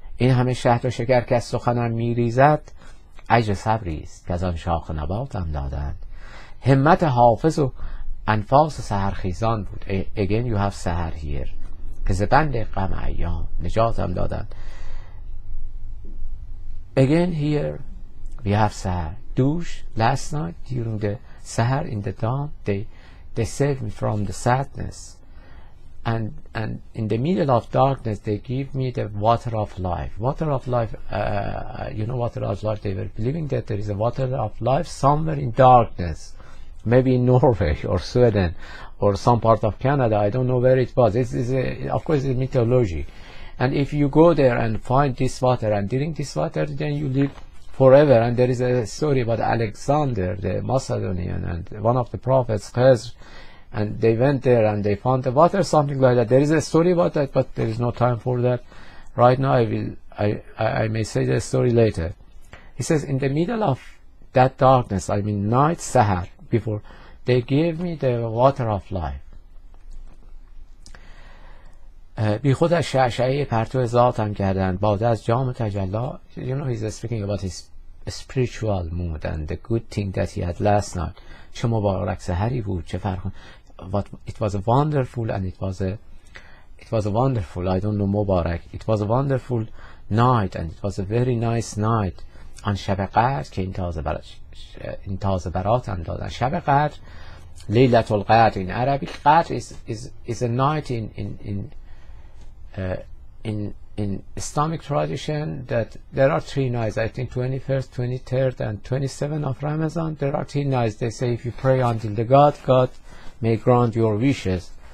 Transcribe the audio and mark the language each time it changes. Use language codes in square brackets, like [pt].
[fa] این همه شهد و شکر که از سخنم میریزد اجر صبری است که از آن شاخ و نباتم دادند. همت حافظ و انفاس سحرخیزان بود. [en] Again you have سحر here. [fa] که زبند غم ایام نجاتم دادند. [en] Again here we have سحر. Dush, last night, during the Sahar, in the dawn, they saved me from the sadness. And in the middle of darkness, they give me the water of life. Water of life, you know, water of life, they were believing that there is a water of life somewhere in darkness. Maybe in Norway or Sweden or some part of Canada. I don't know where it was. This is, of course, it's mythology. And if you go there and find this water and drink this water, then you live forever. And there is a story about Alexander the Macedonian and one of the prophets, Khizr, and they went there and they found the water, something like that. There is a story about that, but there is no time for that right now. I may say the story later. He says in the middle of that darkness, I mean night, Sahar, before, they gave me the water of life. [fa] بی خود از شعشعه پرتو ذاتم کردند، باده از جام تجلا. [en] You know he's speaking about his spiritual mood and the good thing that he had last night. [fa] چه مبارک سحری بود، چه فرخون. [en] It was a wonderful and it was a wonderful, I don't know مبارک. It was a wonderful night and it was a very nice night. [fa] آن شب قدر که این تازه براتم دادن. شب قدر، لیلت القدر [en] in Arabic. قدر is a night in Islamic tradition, that there are three nights, I think 21st, 23rd and 27th of Ramadan. There are three nights. They say if you pray until the God may grant your wishes.